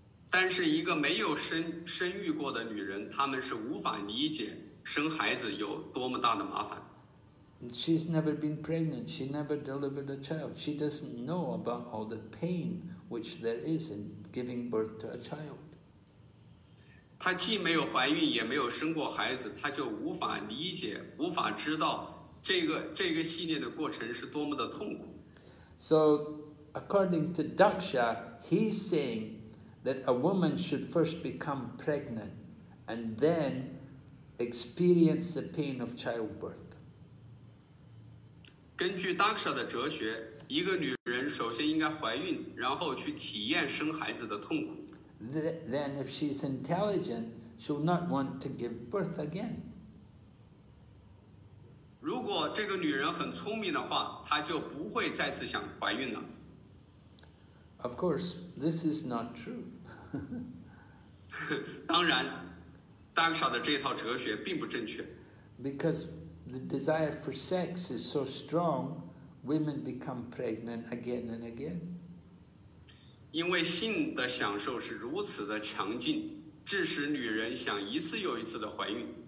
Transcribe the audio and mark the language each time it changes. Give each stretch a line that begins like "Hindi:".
Chinese: 但是一个没有生育过的女人，他们是无法理解生孩子有多么大的麻烦。
English: She's never been pregnant. She never delivered a child. She doesn't know about all the pain which there is in giving birth to a child.
Chinese: 她既没有怀孕，也没有生过孩子，她就无法理解，无法知道这个系列的过程是多么的痛苦。
English: So, according to Daksha, he's saying that a woman should first become pregnant and then experience the pain of childbirth.
Chinese: 根据 Daksha 的哲学，一个女人首先应该怀孕，然后去体验生孩子的痛苦。
English: Then if she's intelligent, she'll not want to give birth again.
Chinese: 如果这个女人很聪明的话，她就不会再次想怀孕了。
English: Of course, this is not true.
Chinese: 当然 ，Daksha 的这套哲学并不正确。
English: Because the desire for sex is so strong, women become pregnant again and again.
Chinese: 因为性的享受是如此的强劲，致使女人想一次又一次的怀孕。